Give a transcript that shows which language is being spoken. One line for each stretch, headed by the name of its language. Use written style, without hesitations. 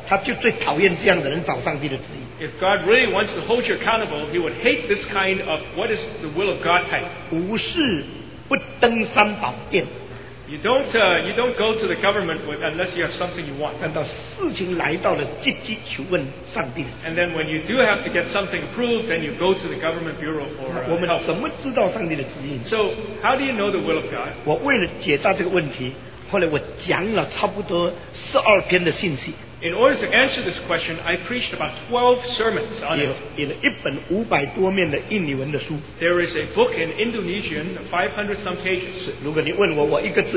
Chinese: 上帝如果真的要算账，他就最讨厌这样的人找上帝的旨意。
English: If God really wants to hold you accountable, he would hate this kind of what is the will of God type.
Chinese: 无事不登三宝殿。
English: You don't go to the government unless you have something you want.
Chinese: 等到事情来到了，积极求问上帝的旨意。
English: And then when you do have to get something approved, then you go to the government bureau for help.
Chinese: 我们怎么知道上帝的旨意呢？
English: So how do you know the will of God?
Chinese: 我为了解答这个问题，后来我讲了差不多12篇的信息。
English: In order to answer this question, I preached about 12 sermons on it.
Chinese: 有一本500多面的印尼文的书。
English: There is a book in Indonesian, 500-some pages.